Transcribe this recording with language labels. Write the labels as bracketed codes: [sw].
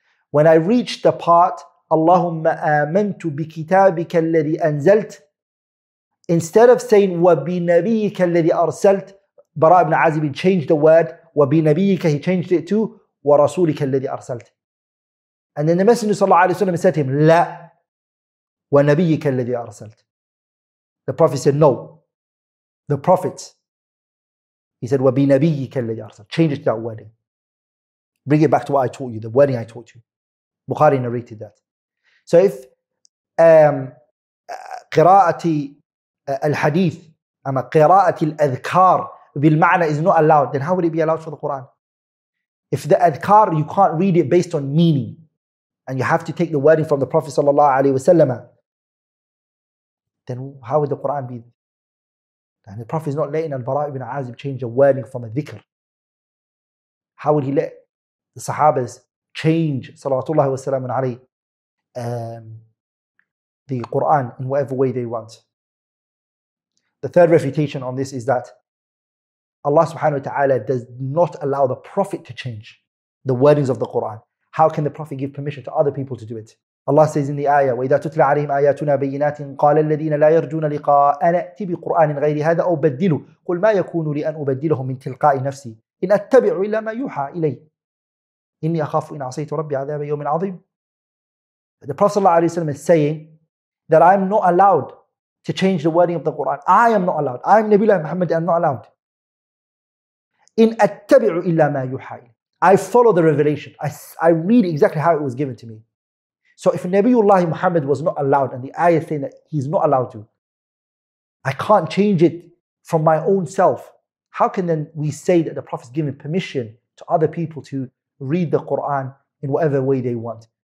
[en] When I reached the part, [ar] اللهم آمنت بكتابك الذي أنزلت, [en] instead of saying [ar] وبنبيك الذي أرسلت, [en] Bara ibn Azib changed the word وبنبيك, he changed it to [ar] ورسولك الذي أرسلت. [en] And then the Messenger صلى الله عليه وسلم said to him, [ar] لا ونبيك الذي أرسلت. [en] The Prophet said, no, the Prophet, he said [ar] وبنبيك الذي أرسلت, [en] change it to that wording, bring it back to what I taught you, the wording I taught you. Bukhari narrated that. So if [ar] qira'ati al-hadith ama qira'ati al-adhkar bil-ma'na [en] is not allowed, then how would it be allowed for the Quran? If the adhkar, you can't read it based on meaning and you have to take the wording from the Prophet sallallahu alayhi wa sallam, then how would the Quran be? And the Prophet is not letting Al-Bara ibn Azib change the wording from a dhikr. How would he let the Sahabas change sallallahu alayhi the Quran in whatever way they want? The third refutation on this is that Allah subhanahu wa ta'ala does not allow the Prophet to change the wordings of the Quran. How can the Prophet give permission to other people to do it? Allah says in the ayah, [ar] وَإِذَا تُتْلَى عَلَيْهِمْ آيَاتُنَا بَيِّنَاتٍ قَالَ الَّذِينَ لَا يَرْجُونَ لِقَاءَنَا أَتِ بِقُرْآنٍ غَيْرِ هَذَا أَوْ بَدِّلُوا قُلْ مَا يَكُونُ لِي أَنْ أُبَدِّلَهُ مِنْ تِلْقَاءِ نَفْسِي إِنْ أَتَّبِعُ إِلَّا مَا يُوحَى إِلَيَّ إني أخاف إن عصيت ربي عذاب يوم عظيم. [en] The Prophet صلى الله عليه وسلم is saying that I am not allowed to change the wording of the Quran. I am not allowed. I am Nabila Muhammad. I am not allowed. [ar] إن أتبع إلا ما يوحى. [en] I follow the revelation. I read exactly how it was given to me. So if Nabiullah Muhammad was not allowed, and the ayah saying that he's not allowed to, I can't change it from my own self, how can then we say that the Prophet is giving permission to other people to read the Quran in whatever way they want?